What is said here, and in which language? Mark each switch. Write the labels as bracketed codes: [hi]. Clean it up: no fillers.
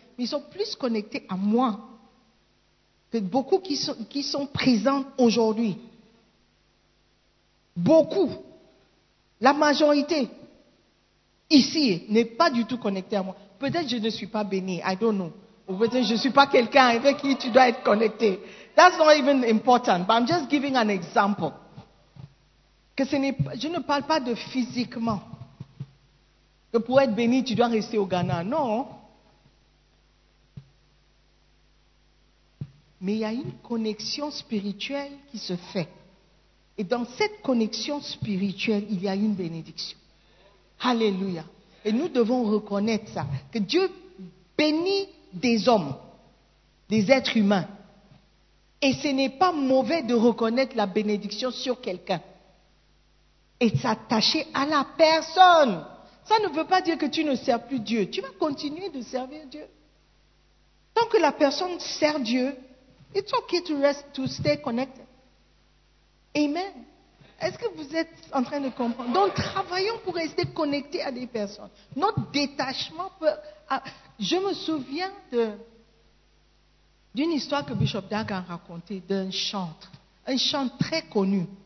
[fr] Mais ils sont plus connectés à moi. Beaucoup qui sont présents aujourd'hui. Beaucoup. La majorité ici n'est pas du tout connectée à moi. Peut-être je ne suis pas bénie. [en] I don't know. [fr] Ou peut-être je ne suis pas quelqu'un avec qui tu dois être connecté. [en] That's not even important. But I'm just giving an example. [fr] Je ne parle pas de physiquement. Que pour être bénie, tu dois rester au Ghana. Non. Mais il y a une connexion spirituelle qui se fait. Et dans cette connexion spirituelle, il y a une bénédiction. Alléluia. Et nous devons reconnaître ça. Que Dieu bénit des hommes, des êtres humains. Et ce n'est pas mauvais de reconnaître la bénédiction sur quelqu'un et de s'attacher à la personne. Ça ne veut pas dire que tu ne sers plus Dieu. Tu vas continuer de servir Dieu. Tant que la personne sert Dieu, [en] it's okay to rest, to stay connected. [fr] Amen. Est-ce que vous êtes en train de comprendre? Donc, travaillons pour rester connectés à des personnes. Notre détachement peut... Je me souviens d'une histoire que Bishop Dag a racontée d'un chanteur, un chanteur très connu.